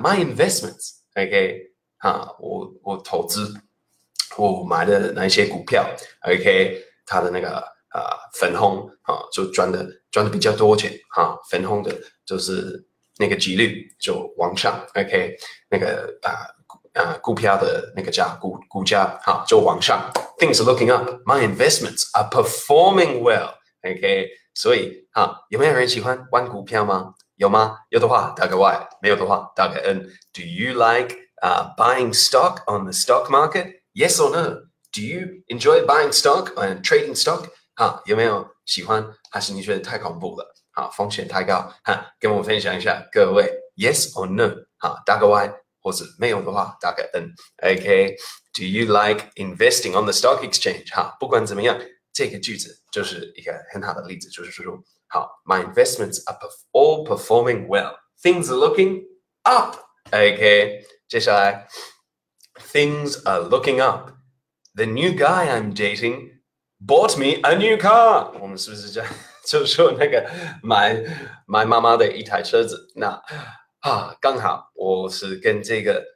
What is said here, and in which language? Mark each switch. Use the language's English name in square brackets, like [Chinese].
[English] My investments. [Chinese] OK, 哈，我投资，我买的那些股票 ，OK， 它的那个分红啊，就赚的比较多钱哈，分红的就是那个几率就往上 ，OK， 那个股票的那个价股价哈就往上 ， [English] Things are looking up, my investments are performing well, [Chinese] OK， 所以哈，有没有人喜欢玩股票吗？有吗？有的话打个 Y， 没有的话打个 N。 [English] Do you like buying stock on the stock market? Yes or no? Do you enjoy buying stock and trading stock? [Chinese] 哈，有没有喜欢？还是你觉得太恐怖了？哈，风险太高？哈，跟我分享一下，各位 ， [English] Yes or no? [Chinese] 哈，打个 Y， 或是没有的话打个 N。 [English] OK， Do you like investing on the stock exchange? [Chinese] 哈，不管怎么样，这个句子就是一个很好的例子，就是说。 [English] 好 ，My investments are all performing well. Things are looking up. Okay, [Chinese] 接下来 [English] ，Things are looking up. The new guy I'm dating bought me a new car. [Chinese] 我们是不是就说那个买妈妈的一台车子？那啊，刚好我是跟这个